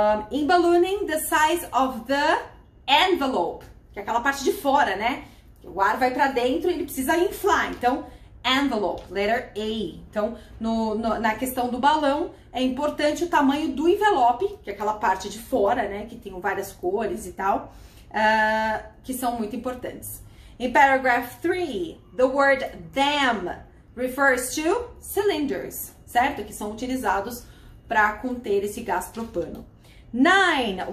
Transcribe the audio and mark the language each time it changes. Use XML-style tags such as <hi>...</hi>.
<en>In ballooning, the size of the envelope,</en> <pt>que é aquela parte de fora, né? O ar vai para dentro e ele precisa inflar. Então, envelope, letter A. Então, na questão do balão, é importante o tamanho do envelope, que é aquela parte de fora, né? Que tem várias cores e tal, que são muito importantes.</pt> <en>In paragraph 3, the word them refers to cylinders, certo?</en> <pt>Que são utilizados para conter esse gás propano. 9.</pt>